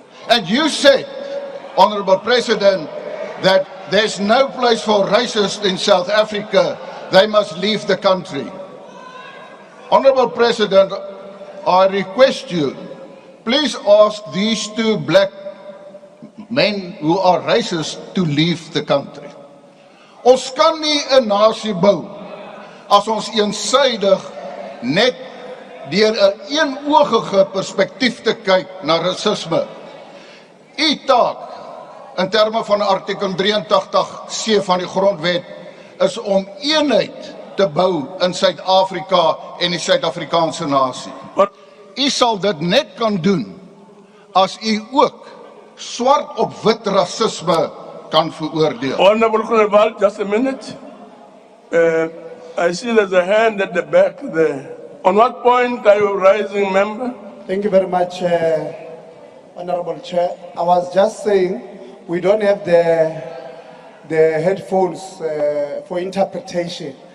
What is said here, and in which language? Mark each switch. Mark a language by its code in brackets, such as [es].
[en] And you said, Honorable President, that there's no place for racists in South Africa. They must leave the country. Honorable President, I request you, please ask these two black men who are racist to leave the country. [af] Ons kan nie 'n nasie bou as ons eensydig net deur 'n eenoogige perspektief te kyk na rasisme. U taak in terme van artikel 83c van die grondwet is om eenheid te bou in Suid-Afrika en die Suid-Afrikaanse nasie. U sal dit net kan doen as u ook swart op wit rasisme kan veroordeel. [en] Honorable Groenewald, just a minute. I see there's a hand at the back there. On what point are you rising, member? Thank you very much, Honorable Chair. I was just saying we don't have the headphones for interpretation.